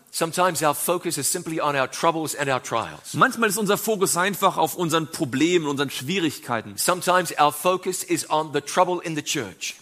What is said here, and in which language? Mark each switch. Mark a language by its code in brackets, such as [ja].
[en] Sometimes our focus is simply on our troubles and our trials. [de] Manchmal ist unser Fokus einfach auf unseren Problemen, unseren Schwierigkeiten. [en] Sometimes our focus is on the trouble in the church.